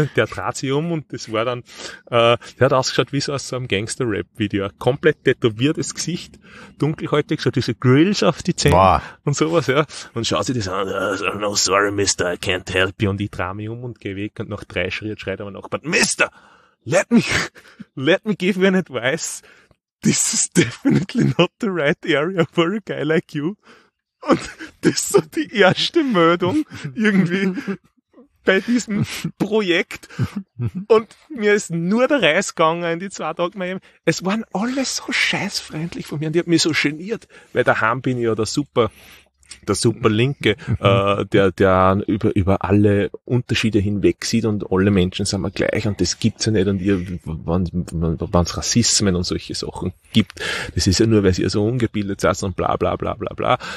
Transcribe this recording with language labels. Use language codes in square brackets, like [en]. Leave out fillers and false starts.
[de] Der dreht sich um und das war dann, der hat ausgeschaut wie so aus so einem Gangster-Rap-Video. Ein komplett tätowiertes Gesicht, dunkelhäutig, so diese Grills auf die Zähne und sowas, ja. Und schaut sich das an, [en] no sorry, Mister, I can't help you. [de] Und ich dreh mich um und geh weg und nach 3 Schritten schreit er mir nach, [en] but Mister! Let me give you an advice. This is definitely not the right area for a guy like you. [de] Und das ist so die erste Meldung irgendwie bei diesem Projekt. Und mir ist nur der Reis gegangen in die 2 Tage. Es waren alle so scheißfreundlich von mir und die hat mich so geniert, weil daheim bin ich ja der super Linke, der über alle Unterschiede hinweg sieht und alle Menschen sind mir gleich und das gibt's ja nicht und ihr, wenn's Rassismen und solche Sachen gibt, das ist ja nur, weil ihr so ungebildet seid und bla bla bla bla bla.